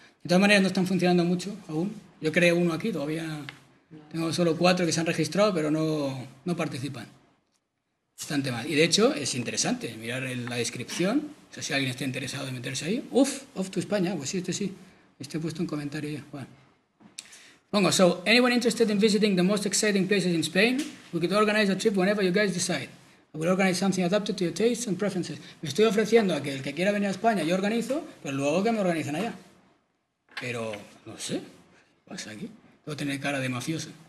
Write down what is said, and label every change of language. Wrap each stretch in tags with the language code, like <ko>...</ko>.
<es>De todas maneras, no están funcionando mucho aún. Yo creé uno aquí, todavía tengo solo 4 que se han registrado, pero no participan. Bastante mal. Y de hecho, es interesante mirar la descripción, o sea, si alguien está interesado en meterse ahí. ¡Uf!</es> <en>¡Off to España!</en> <es>Pues sí, este sí. Este he puesto un comentario ya. Bueno.</es> <en>Pongo, so, anyone interested in visiting the most exciting places in Spain, we could organize a trip whenever you guys decide. I will organize something adapted to your tastes and preferences.</en> <es>Me estoy ofreciendo a que el que quiera venir a España, yo organizo, pero luego que me organizan allá. Pero, no sé, ¿qué pasa aquí? Debo tener cara de mafioso.</es>